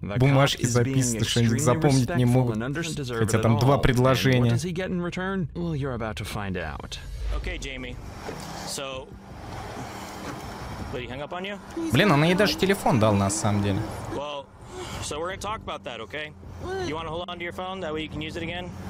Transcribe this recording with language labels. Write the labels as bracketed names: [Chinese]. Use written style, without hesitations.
[English] The cop is being extremely respectful and understanding. [Russian] Хотя там два предложения. [English] What does he get in return? Well, you're about to find out. Okay, Jamie. So, did he hang up on you? [Russian] Блин, он ей даже телефон дал на самом деле. [English] Well, so we're gonna talk about that, okay? You want to hold on to your phone that way you can use it again?